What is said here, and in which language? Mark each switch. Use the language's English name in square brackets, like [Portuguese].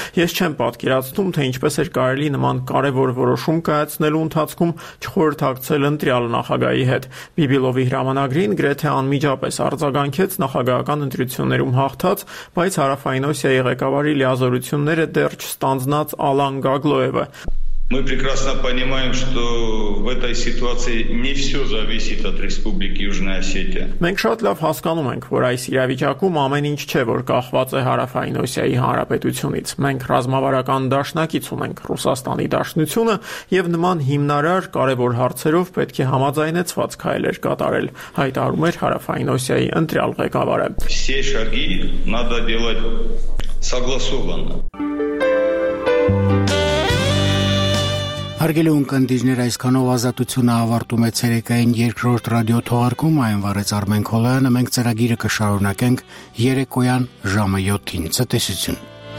[Armenian] Ես չեմ պատկերացնում, թե ինչպես էր կարելի նման կարևոր որոշում կայացնելու ընթացքում չխորհրդակցել ընտրյալ նախագահի հետ։ Բիբիլովի հրամանագրին գրեթե միջապես արձագանքեց նախագահական ընտրություններում հաղթած, բայց հարավային Օսիայի ղեկավարի լիազորությունները դեռ չստանձնած Ալան Գագլոևը։ [Russian] Мы прекрасно понимаем, что в этой ситуации не все зависит от Республики Южная Осетия. [Armenian] Մենք շատ լավ հասկանում ենք, որ այս իրավիճակում ամեն ինչ չէ, որ կախված է Հարավային Օսիայի Հանրապետությունից։ Մենք ռազմավարական դաշնակից ունենք Ռուսաստանի դաշնությունը եւ նման հիմնարար կարեւոր հարցերով պետք է համաձայնեցված քայլեր կատարել, հայտարարում էր Հարավային Օսիայի ընտրյալ ղեկավարը։ [Russian] Все шаги надо делать согласованно. [Armenian] Հարգելի ընկերներ, այսքանով ազատությունը ավարտում է ցերեկային երկրորդ ռադիո թողարկում, այն վարեց Արմեն Քոլյանը, մենք ծրագիրը կշարունակենք երեկոյան ժամը 7-ին։ Ցտեսություն։